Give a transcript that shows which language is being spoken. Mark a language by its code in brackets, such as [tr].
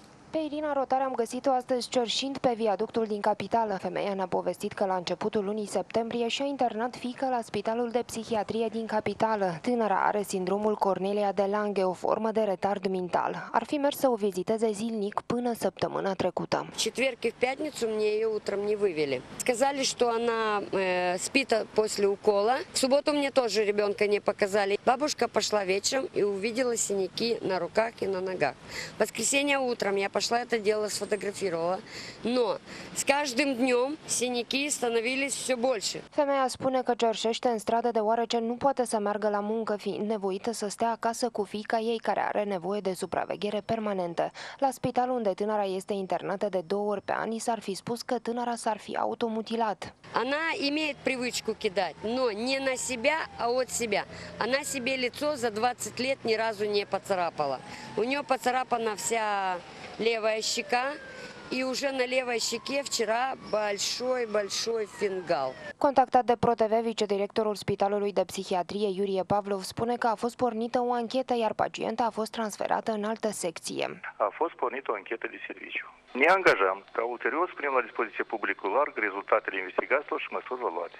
[ro] Pe Irina Rotar am găsit-o astăzi cerșind pe viaductul din capitală. Femeia ne-a povestit că la începutul lunii septembrie și-a internat fiica la spitalul de psihiatrie din capitală. Tânăra are sindromul Cornelia de Lange, o formă de retard mental. Ar fi mers să o viziteze zilnic până săptămâna trecută. [ru] Четверг и в пятницу мне ее утром не вывели. Сказали, что она спит после укола. В субботу мне тоже ребенка не показали. Бабушка пошла вечером и увидела синяки на руках и на ногах. Воскресенье утром я пошла это дело сфотографировала, но с каждым днем синяки становились все больше. [ro] Femeia spune că cerșește în stradă deoarece nu poate să meargă la muncă, fiind nevoită să stea acasă cu fiica ei, care are nevoie de supraveghere permanentă. La spital unde tânăra este internată de 2 ori pe an, s-ar fi spus că tânăra s-ar fi automutilat. [ru] Она имеет привычку кидать, но не на себя, а от себя. Она себе лицо за 20 лет ни разу не поцарапала. У нее поцарапана вся левая щека, и уже на левой щеке вчера большой фингал. [ro] Contactat de Pro TV, vicedirectorul Spitalului de Psihiatrie, Iurie Pavlov, spune că a fost pornită o anchetă, iar pacienta a fost transferată în altă secție. A fost pornită o anchetă de serviciu. Ne angajăm ca ulterior să punem la dispoziție publicul larg rezultatele investigațiilor și măsuri luate.